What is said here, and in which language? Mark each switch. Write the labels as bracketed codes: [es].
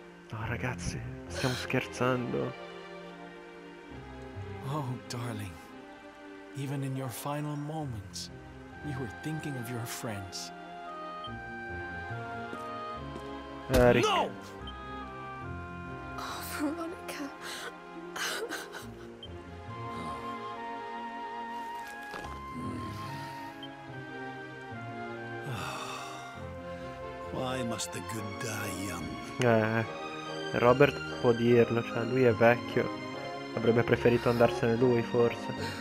[it] No, ragazzi, stiamo scherzando. [en] Oh, darling. Even in your final moments, you were thinking of your friends. Eric. No! Oh, Veronica. Why must the good die young? [it] Robert può dirlo, cioè lui è vecchio. Avrebbe preferito andarsene lui, forse.